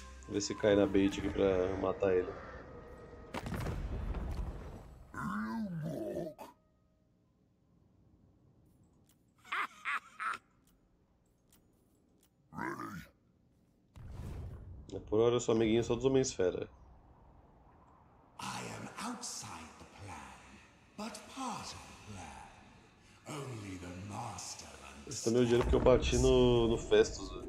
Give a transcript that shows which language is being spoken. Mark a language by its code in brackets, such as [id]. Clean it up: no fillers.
[pt] Vamos ver se cai na bait aqui para matar ele. Por hora, sua amiguinha só dos Homem-Esfera. [en] I am outside the plan, but part of the plan. Only the master understands. [pt] Esse também é o dinheiro que eu bati no Festus.